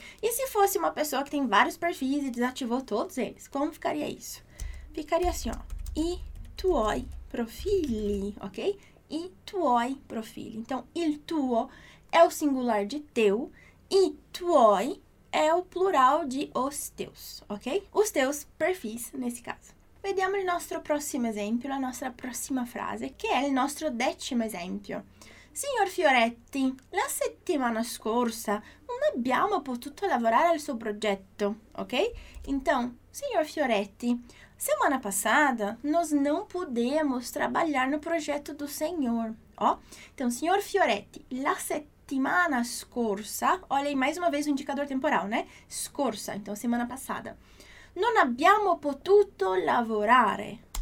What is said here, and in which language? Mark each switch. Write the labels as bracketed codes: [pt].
[pt] E se fosse uma pessoa que tem vários perfis e desativou todos eles, como ficaria isso? Ficaria assim, ó. [it] I tuoi profili, ok? I tuoi profili. [pt] Então, il tuo é o singular de teu, i tuoi é o plural de os teus, ok? Os teus perfis, nesse caso. [it] Vediamo il nostro prossimo esempio, la nostra prossima frase, che è il nostro decimo esempio. Signor Fioretti, la settimana scorsa non abbiamo potuto lavorare al suo progetto, ok? [pt] Então, signor Fioretti, semana passada nós não pudemos trabalhar no projeto do senhor, ó. Então, signor Fioretti, [it] la settimana scorsa, [pt] olha aí mais uma vez o indicador temporal, né? Scorsa, então semana passada. [it] Non abbiamo potuto lavorare.